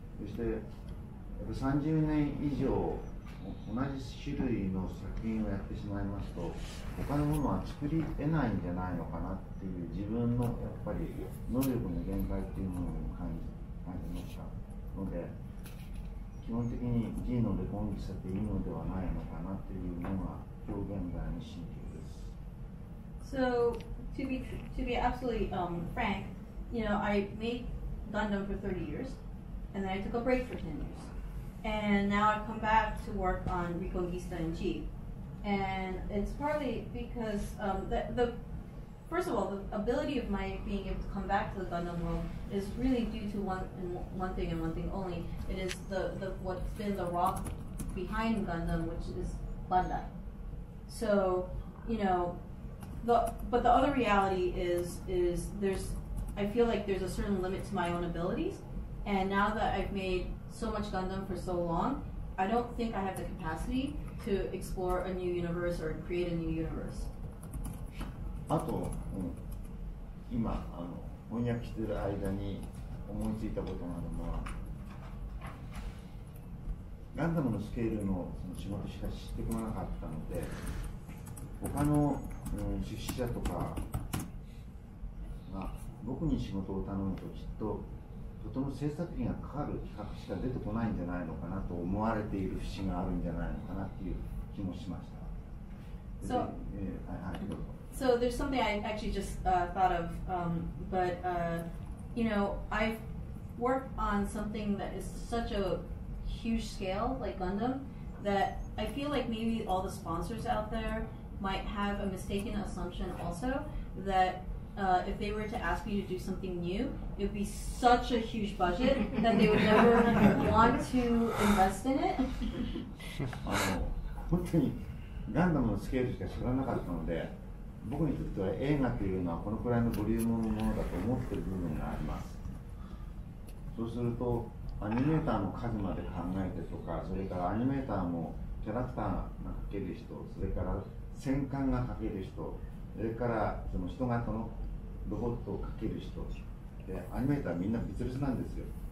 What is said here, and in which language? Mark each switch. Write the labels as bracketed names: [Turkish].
[Japanese] そしてやっぱ30年以上同じ種類の作品をやってしまいますと他のものは作り得ないんじゃないのかなっていう自分のやっぱり能力の限界っていうものを感じましたので、基本的にジーノでコンビしたっていいのではないのかなっていうのが表現が心境です。 [English] So to be absolutely frank, you know, I made Gundam for 30 years and then I took a break for 10 years. And now I've come back to work on Reconquista and G. And it's partly because, first of all, the ability of my being able to come back to the Gundam world is really due to one thing and one thing only. It is the what's been the rock behind Gundam, which is Bandai. So, you know, but the other reality is I feel like there's a certain limit to my own abilities. And now that I've made so much Gundam for so long, I don't think I have the capacity to explore a new universe or create a new universe. [Japanese] あと、今あの翻訳してる間に思いついたことなのは、ガンダムのスケールのその仕事しかしてこなかったので、他の、出資者とかが僕に仕事を頼むときっと。とても制作費がかかる企画しか出てこないんじゃないのかなと思われている節があるんじゃないのかなっていう気もしました。 [English] So, so there's something I actually just thought of, but you know, I've worked on something that is such a huge scale like Gundam that I feel like maybe all the sponsors out there might have a mistaken assumption also thatif they were to ask me to do something new, it would be such a huge budget that they would never want to invest in it. [Japanese] 本当にガンダムのスケールしか知らなかったので、僕にとっては映画というのはこのくらいのボリュームのものだと思っている部分があります。そうすると、アニメーターの数まで考えてとか、それからアニメーターもキャラクターが描ける人、それから戦艦が描ける人、それからその人型のロボットをかける人で、アニメーターはみんな別々なんですよ。